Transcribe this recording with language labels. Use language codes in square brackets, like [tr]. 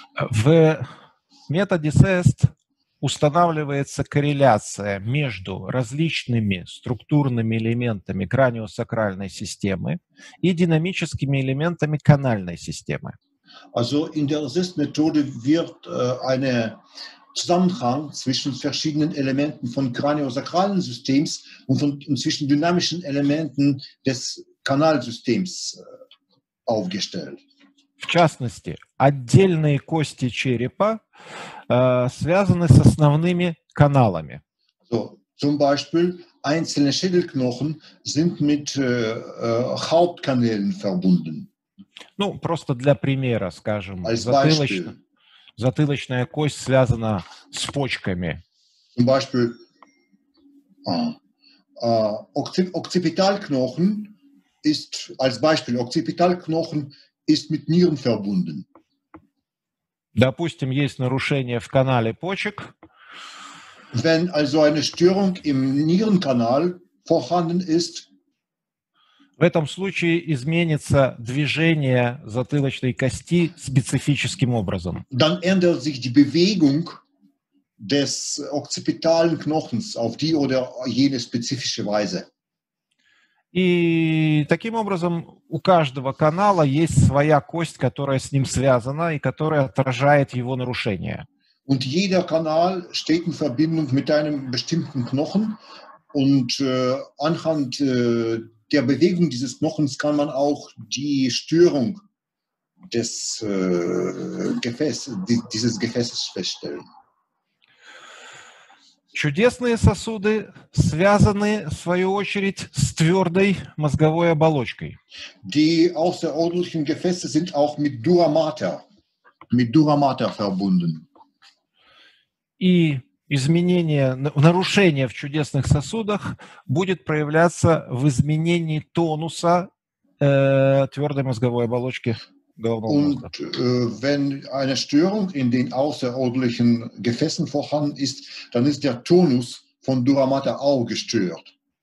[ru] В методе SEST устанавливается корреляция между различными структурными элементами краниосакральной системы и динамическими элементами канальной системы. [de] Also in der SEST-Methode wird ein Zusammenhang zwischen verschiedenen Elementen von kraniosakralen Systems und zwischen dynamischen Elementen des Kanalsystems aufgestellt. [ru] В частности, отдельные кости черепа связаны с основными каналами. [de] So, zum Beispiel einzelne Schädelknochen sind mit Hauptkanälen verbunden. [ru] Ну, просто для примера, скажем, затылочная кость связана с почками. [de] Zum Beispiel Occipitalknochen ist als Beispiel Occipitalknochen ist mit Nieren verbunden. [ru] Допустим, есть нарушение в канале почек. [de] Wenn also eine Störung im Nierenkanal vorhanden ist, [ru] в этом случае изменится движение затылочной кости специфическим образом. [de] Dann ändert sich die Bewegung des occipitalen Knochens auf die oder jene spezifische Weise. [ru] И таким образом у каждого канала есть своя кость, которая с ним связана и которая отражает его нарушение. [de] Und jeder Kanal steht in Verbindung mit einem bestimmten Knochen und anhand der Bewegung dieses Knochens kann man auch die Störung des dieses Gefäßes feststellen. [ru] Чудесные сосуды связаны, в свою очередь, с твердой мозговой оболочкой. [de] Die außerordentlichen Gefäße sind auch mit Dura Mater verbunden. [ru] И изменение, нарушение в чудесных сосудах будет проявляться в изменении тонуса твердой мозговой оболочки головного [de] Und, [ru] мозга. [de] Wenn eine Störung in den außerordentlichen Gefäßen vorhanden ist, dann ist der Tonus von Dura Mater auch gestört.